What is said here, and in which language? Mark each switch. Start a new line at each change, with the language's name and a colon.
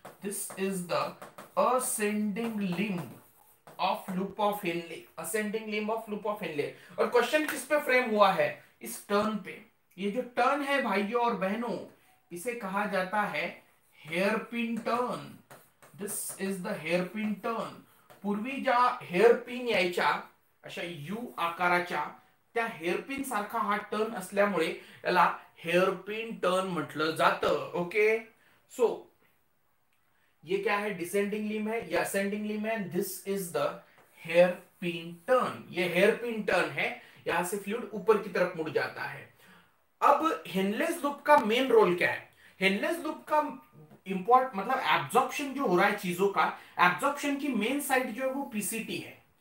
English: This is the ascending limb of loop of Henle, ascending limb of loop of Henle.
Hindi: और question किस पे frame हुआ है? इस टर्न पे। ये जो टर्न है भाइयों और बहनों, इसे कहा जाता है hair pin turn.
English: This is the hairpin turn.
Marathi: पूर्वी ज्या हेयर पिन यायच्या अशा यू आकाराच्या, त्या हेअरपिन सारखा हा टर्न असल्यामुळे याला हेअरपिन टर्न म्हटलं जातं।
Hindi: ओके, सो ये क्या है? डिसेंडिंग लिम है या असेंडिंग लिम है?
English: This is the hairpin turn.
Hindi: ये हेअरपिन टर्न है, यहां से फ्लूड ऊपर की तरफ मुड़ जाता है। अब हेनलेस लूप का मेन रोल क्या है? हेनलेस लूप का इंपॉर्ट, मतलब एब्जॉर्प्शन जो हो रहा है चीजों का, एब्जॉर्प्शन की मेन साइट जो है वो पीसीटी है।